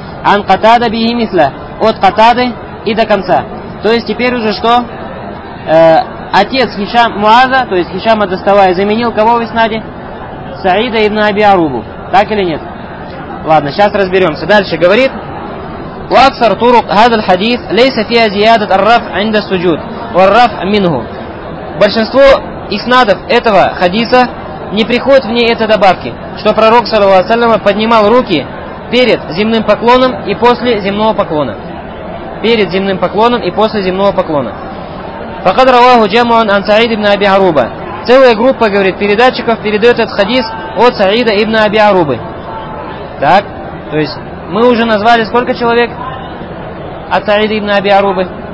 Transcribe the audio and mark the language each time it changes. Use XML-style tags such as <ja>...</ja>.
<ar>Ан Катада бихи мисля.</ar> <ru>От Катады и до конца. То есть теперь уже что? Отец Хишам Муаза, то есть Хишама ад-Даставаи, заменил кого в иснаде? Саида ибн Аби Арубу. Так или нет? Ладно, сейчас разберемся. Дальше говорит.</ru> <ar>وأكثر طرق هذا الحديث ليس فيها زيادة الرفع عند السجود والرفع منه.</ar> <ru>Большинство иснадов этого хадиса не приходит в ней этой добавки, что пророк саллаллаху алейхи ва саллям поднимал руки перед земным поклоном и после земного поклона. Перед земным поклоном и после земного поклона.</ru> <ar>فقد رواه جمع عن سعيد بن أبي عروبة.</ar> <ru>Целая группа, говорит, передатчиков передает этот хадис от Саида ибн Аби Арубы. Так, то есть мы уже назвали сколько человек от Саида ибн Аби Арубы?</ru>